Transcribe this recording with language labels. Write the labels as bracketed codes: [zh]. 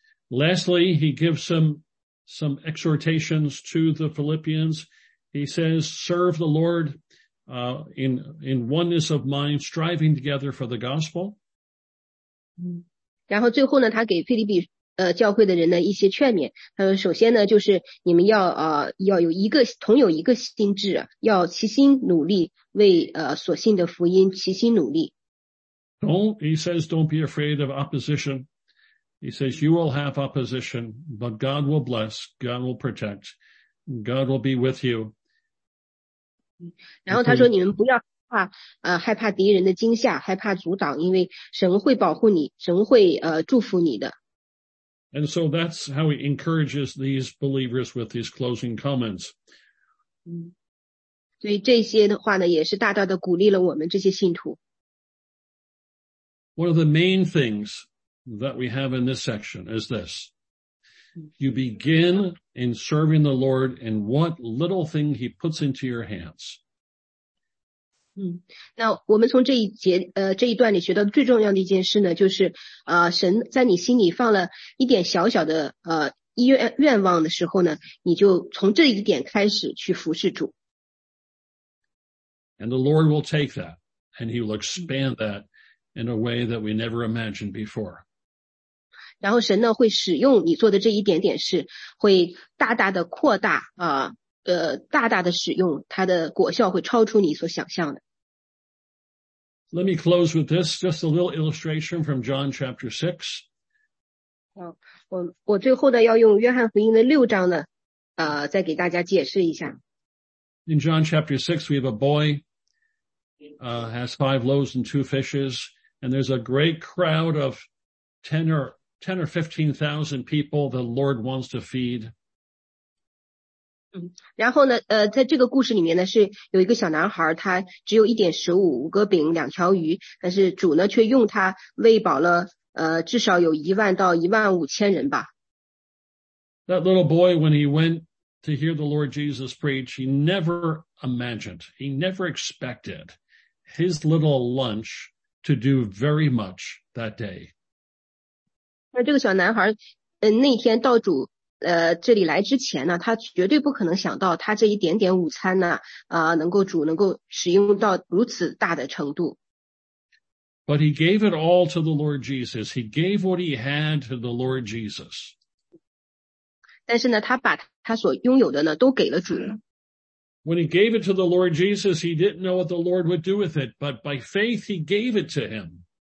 [en] Lastly, he gives some exhortations to the Philippians. He says, serve the Lord, in oneness of mind, striving together for the gospel. [zh] 然后最后呢，他给腓立比教会的人呢一些劝勉。他说，首先呢，就是你们要有一个同有一个心智，要齐心努力为所信的福音齐心努力。 [en] He says, don't be afraid of opposition. He says, you will have opposition, but God will bless, God will protect, God will be with you. [zh] 然后他说你们不要害怕敌人的惊吓，害怕阻挡，因为神会保护你，神会祝福你的。 [en] And so that's how he encourages these believers with these closing comments. [zh] 所以这些的话呢，也是大大的鼓励了我们这些信徒。 [en] One of the main things,that we have in this section is this. You begin in serving the Lord in what little thing he puts into your hands. [zh] 那我们从这一节这一段里学到最重要的一件事呢，就是神在你心里放了一点小小的愿望的时候呢，你就从这一点开始去服侍主。 [en] And the Lord will take that and he will expand that in a way that we never imagined before. [zh] 然后神呢会使用你做的这一点点事，会大大的扩大大大的使用，它的果效会超出你所想象的。 [en] Let me close with this, just a little illustration from John chapter 6. [zh] 我最后呢要用约翰福音的六章呢再给大家解释一下。 [en] In John chapter 6, we have a boy, has 5 loaves and 2 fishes, and there's a great crowd of 10 or 15,000 people the Lord wants to feed. [zh] 然后呢在这个故事里面呢是有一个小男孩，他只有一点食物，五个饼，两条鱼，但是主呢却用他喂饱了至少有10,000到15,000人吧。 [en] That little boy, when he went to hear the Lord Jesus preach, he never imagined, he never expected his little lunch to do very much that day. [zh] 那这个小男孩那天到主这里来之前呢，他绝对不可能想到他这一点点午餐呢能够使用到如此大的程度。 [en] But he gave it all to the Lord Jesus. He gave what he had to the Lord Jesus. [zh] 但是呢他把他所拥有的呢都给了主。 [en] When he gave it to the Lord Jesus, he didn't know what the Lord would do with it, but by faith he gave it to him.